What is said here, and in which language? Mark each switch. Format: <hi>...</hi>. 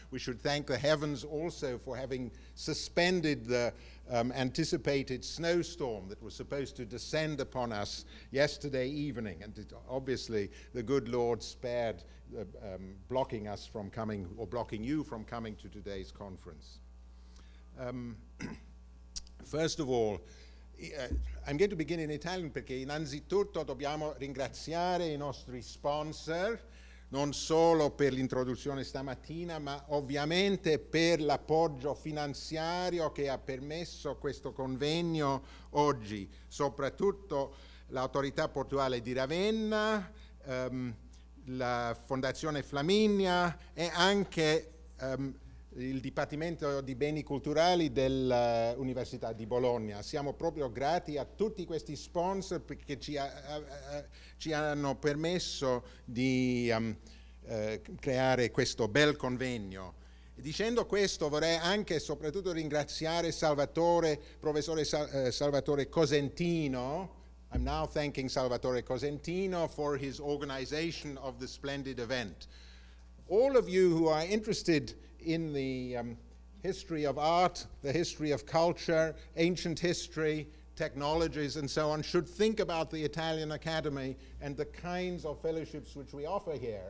<en>We should thank the heavens also for having suspended the anticipated snowstorm that was supposed to descend upon us yesterday evening. And it, obviously, the good Lord spared blocking us from coming, or blocking you from coming to today's conference. First of all, I'm going to begin in Italian</en> <it>perché innanzitutto dobbiamo ringraziare I nostri sponsor, non solo per l'introduzione stamattina, ma ovviamente per l'appoggio finanziario che ha permesso questo convegno oggi, soprattutto l'autorità portuale di Ravenna, la Fondazione Flaminia e anche il Dipartimento di Beni Culturali dell'Università di Bologna. Siamo proprio grati a tutti questi sponsor perché ci hanno permesso di creare questo bel convegno. Dicendo questo, vorrei anche e soprattutto ringraziare professore Salvatore Cosentino.</it> <en>I'm now thanking Salvatore Cosentino for his organization of the splendid event. All of you who are interested in the history of art, the history of culture, ancient history, technologies, and so on, should think about the Italian Academy and the kinds of fellowships which we offer here.</en>